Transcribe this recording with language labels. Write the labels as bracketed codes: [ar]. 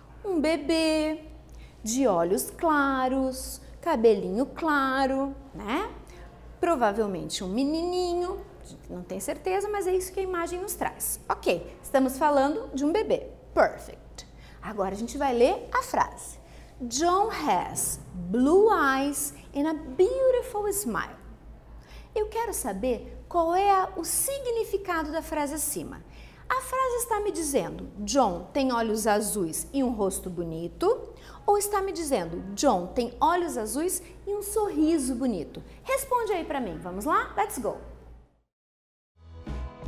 [pt] Um bebê de olhos claros, cabelinho claro, né? Provavelmente um menininho, não tenho certeza, mas é isso que a imagem nos traz. Ok, estamos falando de um bebê. Perfect. Agora a gente vai ler a frase. [en] John has blue eyes and a beautiful smile. [pt] Eu quero saber qual é o significado da frase acima. A frase está me dizendo John tem olhos azuis e um rosto bonito ou está me dizendo John tem olhos azuis e um sorriso bonito? Responde aí para mim. Vamos lá? [en] Let's go! Thank you.